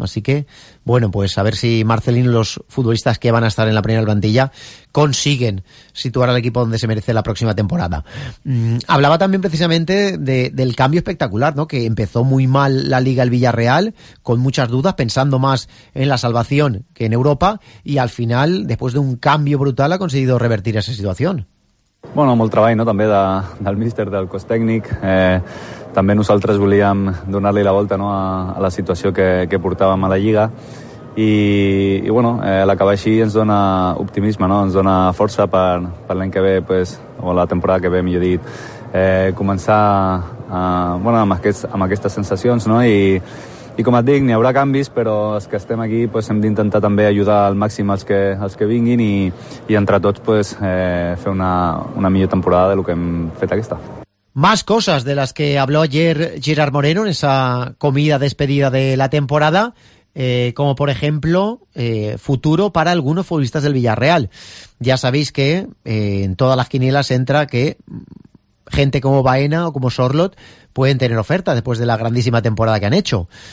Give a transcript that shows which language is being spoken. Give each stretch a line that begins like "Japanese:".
Spanish: Así que, bueno, pues a ver si Marcelino, los futbolistas que van a estar en la primera plantilla, consiguen situar al equipo donde se merece la próxima temporada. Hablaba también precisamente del cambio espectacular, ¿no? Que empezó muy mal la Liga el Villarreal, con muchas dudas, pensando más en la salvación que en Europa, y al final, después de un cambio brutal, ha conseguido revertir esa situación.
Catalan: Bueno, molt treball, no? També del míster, del cos tècnic. També nosaltres volíem donar-li la volta, no? a la situació que portàvem a la Lliga. I bueno, l'acabar així ens dona optimisme, no? Ens dona força per l'any que ve, pues, o la temporada que ve, millor dit, començar bueno, amb aquestes sensacions, no? I, I com et dic, n'hi haurà canvis, però els que estem aquí pues, hem d'intentar també ajudar al màxim els que vinguin i entre tots pues, fer una millor temporada del que hem fet aquesta.
Spanish: Más cosas de las que habló ayer Gerard Moreno en esa comida despedida de la temporada, como por ejemplo futuro para algunos futbolistas del Villarreal. Ya sabéis que en todas las quinielas entra que gente como Baena o como Sorloth pueden tener oferta después de la grandísima temporada que han hecho.